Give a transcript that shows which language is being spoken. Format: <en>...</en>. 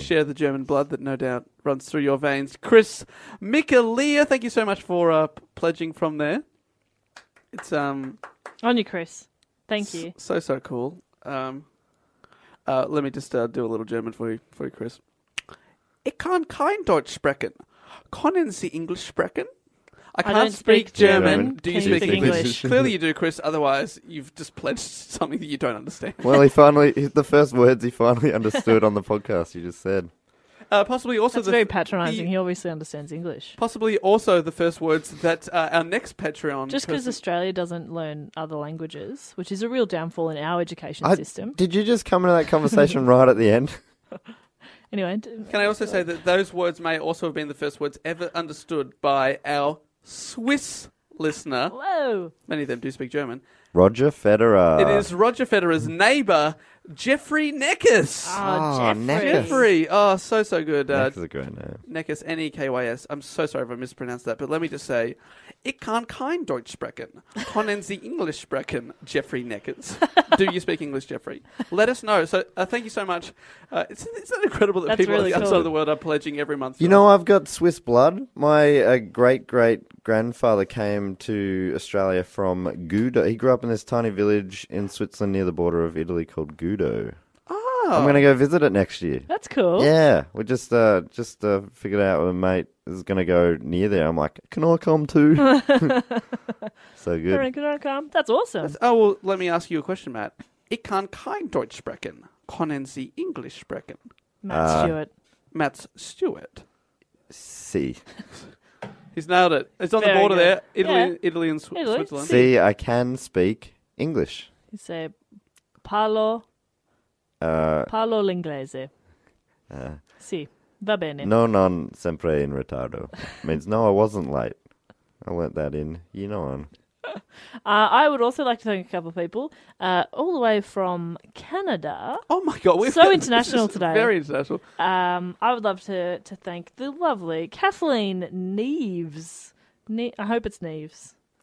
<en>Share the German blood that no doubt runs through your veins. Chris Mikalia, thank you so much for pledging from there. It's on you, Chris. Thank you. So cool. Let me just do a little German for you, Chris.</en> <de>Ich kann kein Deutsch sprechen. Können Sie Englisch sprechen?</de> <en>I can't speak German. Do you speak English? Clearly you do, Chris. Otherwise, you've just pledged something that you don't understand. Well, the first words he finally understood on the podcast you just said. Possibly also that's very patronising. He obviously understands English. Possibly also the first words that our next Patreon... Just because Australia doesn't learn other languages, which is a real downfall in our education system. Did you just come into that conversation right at the end? Anyway. Can I also say that those words may also have been the first words ever understood by our Swiss listener. Whoa. Many of them do speak German. Roger Federer. It is Roger Federer's neighbor, Jeffrey Neckes. Jeffrey. Oh, so good. That's a great name. Neckes, N-E-K-Y-S. I'm so sorry if I mispronounced that, but let me just say,</en> <de>ich kann kein Deutsch sprechen. Können Sie Englisch sprechen, Jeffrey Neckes.</de> <en>Do you speak English, Jeffrey? Let us know. So thank you so much. It's incredible that people really on the outside of the world are pledging every month. You know, I've got Swiss blood. My great-great-grandfather came to Australia from Gouda. He grew up in this tiny village in Switzerland near the border of Italy called Gudo. Oh. I'm going to go visit it next year. That's cool. Yeah. We just figured out with a mate is going to go near there. I'm like, can I come too? So good. Can I come? That's awesome. Let me ask you a question, Matt.</en> <de>Ich kann kein Deutsch sprechen. Können Sie Englisch sprechen?</de> <en>Matt Stewart. See. He's nailed it. It's on very the border good. There. Italy, yeah. Italy and Italy. Switzerland. See, I can speak English. You say,</en> <it>parlo. Parlo l'inglese. Sì, va bene. No, non sempre in ritardo.</it> <en>Means no, I wasn't late. I learnt that in Yinon. I would also like to thank a couple of people all the way from Canada. Oh my God, we're so international today. Very international. I would love to thank the lovely Kathleen Neves. I hope it's Neves.</en>